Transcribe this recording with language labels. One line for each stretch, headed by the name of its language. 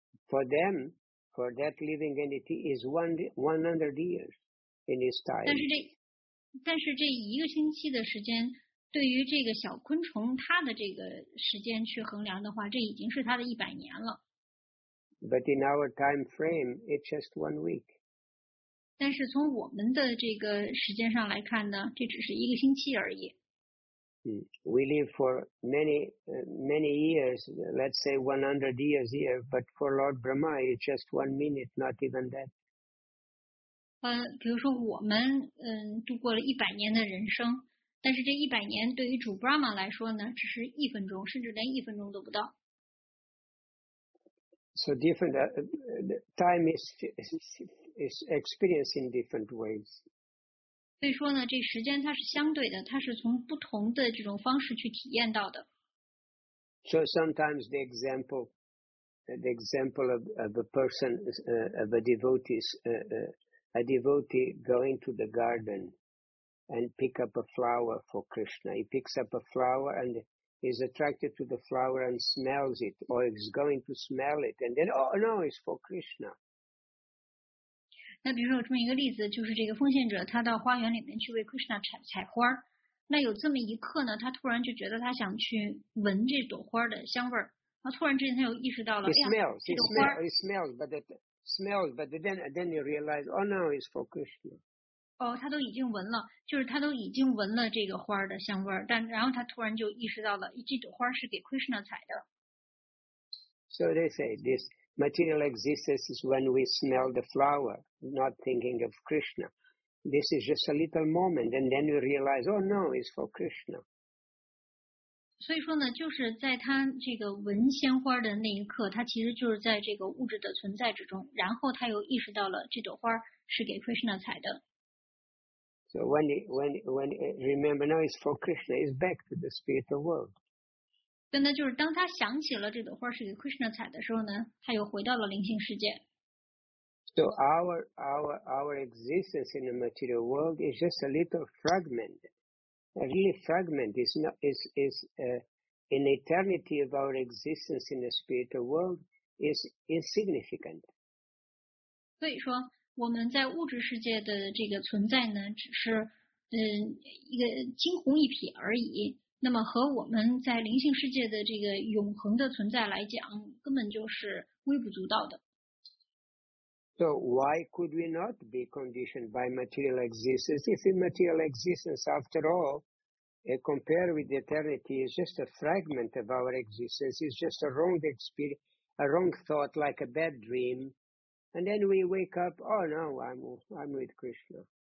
English: For that living entity is 100 years in its time.
Chinese: 但是这一个星期的时间，对于这个小昆虫它的这个时间去衡量的话，这已经是它的100年了。
English: But in our time frame, it's just 1 week.
Chinese: 但是从我们的这个时间上来看呢，这只是一个星期而已。
English: We live for many years, let's say 100 years here, but for Lord Brahma, it's just 1 minute, not even that.
Chinese: 比如说我们度过了100年的人生，但是这100年对于主 Brahma 来说呢，只是一分钟，甚至连一分钟都不到。
English: So different time is experiencing different ways.
Chinese: 所以说呢，这时间它是相对的，它是从不同的这种方式去体验到的。
English: So sometimes the example of a person of a devotee is. A devotee going to the garden and pick up a flower for Krishna. He picks up a flower and is attracted to the flower and smells it, or is going to smell it, and then, oh no, it's for Krishna.
Chinese: 那比如说有这么一个例子，就是这个奉献者他到花园里面去为 Krishna 采花，那有这么一刻呢，他突然就觉得他想去闻这朵花的香味儿，然后突然之间他又意识到了，
English: He smells, but then you realize, oh no, it's for Krishna.
Chinese: 他都已经闻了，就是他都已经闻了这个花的香味，但然后他突然就意识到了，这朵花是给 Krishna 采的。
English: So they say this material existence is when we smell the flower, not thinking of Krishna. This is just a little moment, and then you realize, oh no, it's for Krishna.
Chinese: 所以说呢，就是在他这个闻鲜花的那一刻，他其实就是在这个物质的存在之中，然后他又意识到了这朵花是给 Krishna 采的。
English: So when remember now it's for Krishna, it's back to the spiritual world.
Chinese: 对，那就是当他想起了这朵花是给 Krishna 采的时候呢，他又回到了灵性世界。
English: So our existence in the material world is just a little fragment. A real fragment is in eternity of our existence in the spiritual world is insignificant.
Chinese: 所以说，我们在物质世界的这个存在呢，只是一个惊鸿一瞥而已。那么和我们在灵性世界的这个永恒的存在来讲，根本就是微不足道的。
English: So why could we not be conditioned by material existence? If in material existence, after all, compared with eternity, is just a fragment of our existence, is just a wrong experience, a wrong thought, like a bad dream, and then we wake up, oh no, I'm with Krishna.